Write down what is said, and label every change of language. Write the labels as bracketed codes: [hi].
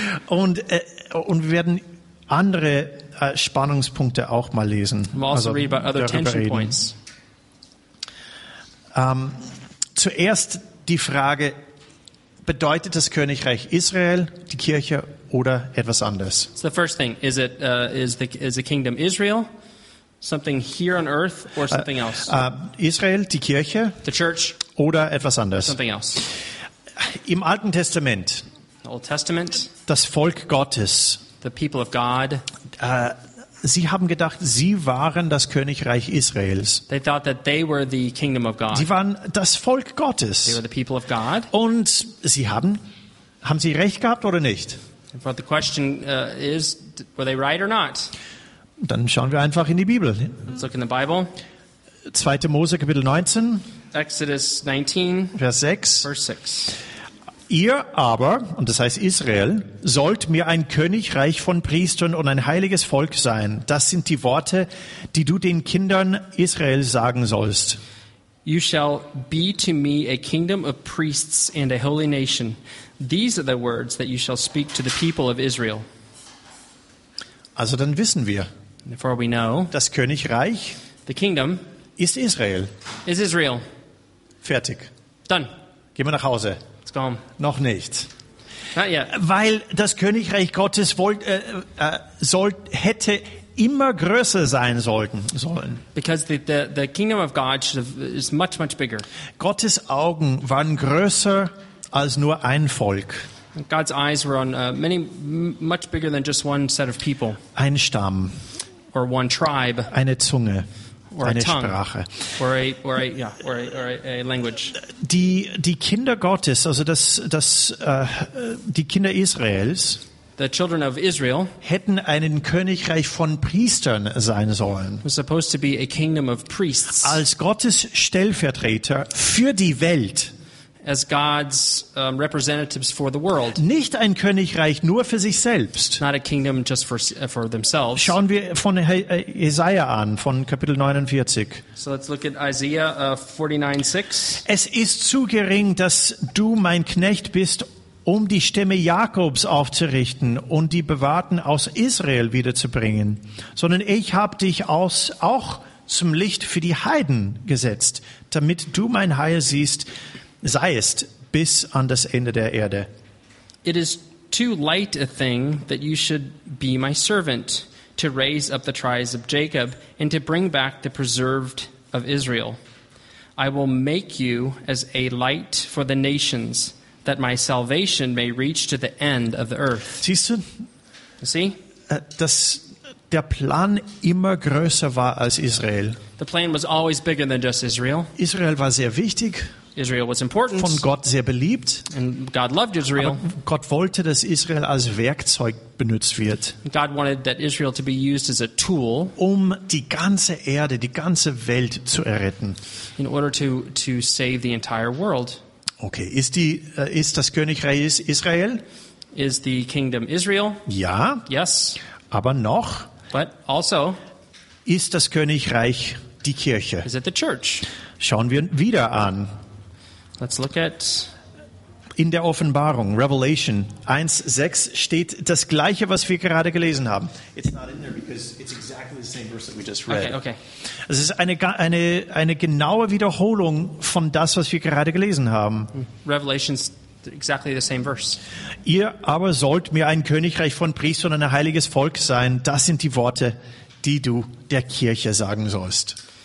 [de] und wir werden andere Spannungspunkte auch mal lesen. [en] We'll also read about other tension [de] reden. [en] Points. [de] Zuerst die Frage, bedeutet das Königreich Israel, die Kirche oder etwas anderes? [en] So the first thing, is the kingdom Israel, something here on earth or something else? [de] Israel, die Kirche, [en] the church, [de] oder etwas anderes? [en] Something else. [de] Im Alten Testament, [en] Old Testament, [de] das Volk Gottes, [en] the people of God, [de] sie haben gedacht, sie waren das Königreich Israels. [en] They thought that they were the kingdom of God. [de] Sie waren das Volk Gottes. [en] They were the people of God. [de] Und sie haben sie recht gehabt oder nicht? [en] But the question is, were they right or not? [de] Dann schauen wir einfach in die Bibel. [en] Let's look in the Bible. [de] 2. Mose, Kapitel 19, [en] Exodus 19, [de] Vers 6. [en] Verse 6. [de] Ihr aber, und das heißt Israel, sollt mir ein Königreich von Priestern und ein heiliges Volk sein. Das sind die Worte, die du den Kindern Israel sagen sollst. [en] You shall be to me a kingdom of priests and a holy nation. These are the words that you shall speak to the people of Israel. [de] Also dann wissen wir, [en] therefore we know, [de] das Königreich, [en] the kingdom, [de] ist Israel. [en] Is Israel. [de] Fertig. [en] Done. [de] Gehen wir nach Hause. [en] Let's go home. [de] Noch nicht. [en] Not yet. [de] Weil das Königreich Gottes hätte immer größer sein sollen. [en] Because the kingdom of God is much, much bigger. [de] Gottes Augen waren größer als nur ein Volk. [en] God's eyes were on many, much bigger than just one set of people. [de] Ein Stamm. [en] Or one tribe. [de] Eine Zunge. [en] Or [de] eine [en] a tongue. [de] Sprache. [en] Or a language. [de] Die Kinder Gottes, also die Kinder Israels, [en] the children of Israel, [de] hätten einen Königreich von Priestern sein sollen. [en] Was supposed to be a kingdom of priests. [de] Als Gottes Stellvertreter für die Welt. [en] As God's representatives for the world. [de] Nicht ein Königreich nur für sich selbst. [en] Not a kingdom just for themselves. [de] Schauen wir von Jesaja an, von Kapitel 49. [en] So let's look at Isaiah 49:6. [de] Es ist zu gering, dass du mein Knecht bist, um die Stämme Jakobs aufzurichten und die Bewahrten aus Israel wiederzubringen, sondern ich habe dich auch zum Licht für die Heiden gesetzt, damit du mein Heil siehst, seiest bis an das Ende der Erde. [en] It is too light a thing that you should be my servant to raise up the tribes of Jacob and to bring back the preserved of Israel. I will make you as a light for the nations, that my salvation may reach to the end of the earth. [de] Siehst du? [en] See? [de] Dass der Plan immer größer war als Israel. [en] The plan was always bigger than just Israel. [de] Israel war sehr wichtig. [en] Israel was important. [de] Von Gott sehr beliebt. [en] And God loved Israel. [de] Aber Gott wollte, dass Israel als Werkzeug benutzt wird. [en] God wanted that Israel to be used as a tool. [de] Um die ganze Erde, die ganze Welt zu erretten. [en] In order to save the entire world. [de] Okay, ist das Königreich Israel? [en] Is the kingdom Israel? [de] Ja. [en] Yes. [de] Aber noch? [en] But also? [de] Ist das Königreich die Kirche? [en] Is it the church? [de] Schauen wir wieder an. [en] Let's look at [de] in der Offenbarung, Revelation 1:6 steht das Gleiche, was wir gerade gelesen haben. [en] It's not in there because it's exactly the same verse that we just read. Okay. [de] Es ist eine genaue Wiederholung von das, was wir gerade gelesen haben. [en] Revelation's exactly the same verse. [de] Ihr aber sollt mir ein Königreich von Priestern und ein heiliges Volk sein. Das sind die Worte, die du der Kirche sagen sollst.